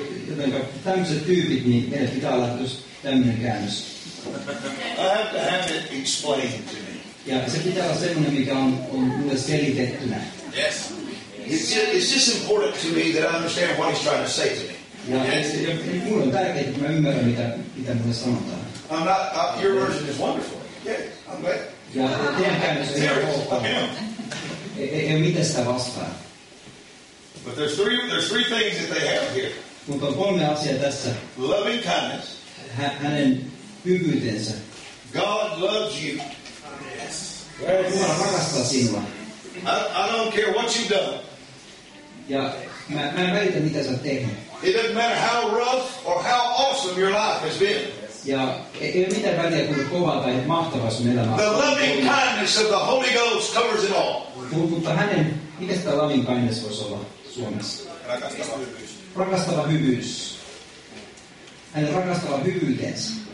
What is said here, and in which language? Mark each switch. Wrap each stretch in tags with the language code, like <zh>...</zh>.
<fi>Jotenka tämmöiset tyypit, niin meillä pitää olla tuossa tämmöinen käännös.</fi> <en>I have to have it explained to me.</en> <fi>Ja se pitää olla semmoinen, mikä on mulle selitettynä.</fi> <en>Yes. It's just important to me that I understand what he's trying to say to me.</en> <fi>Ja mulle on tärkeää, että mä ymmärrän, mitä mulle sanotaan.</fi> <en>Your version is wonderful. Yeah, I'm glad. Yeah, the damn kind of thing. Yeah.</en> <fi>Mitä sitä vastaa?</fi> <en>But there's three things that they have here.</en> <fi>Mutta on kolme asiaa tässä.</fi> <en>Loving kindness.</en> <fi>Hänen hyvyytensä.</fi> <en>God loves you. Yes.</en> <fi>Jumala rakastaa sinua.</fi> <en>I don't care what you've done.</en> <fi>Ja mä en välitä, mitä sä oot tehnyt.</fi> <en>It doesn't matter how rough or how awesome your life has been.</en> <fi>Ja ei ole mitään väliä, kun kovaa tai mahtavaa sun elämää.</fi> <en>The loving kindness of the Holy Ghost covers it all.</en> <fi>Mutta hänen, mikä sitä</fi> <en>loving kindness</en> <fi>voisi olla Suomessa? Rakastava hyvyys. Hänen rakastava hyvyytensä.</fi>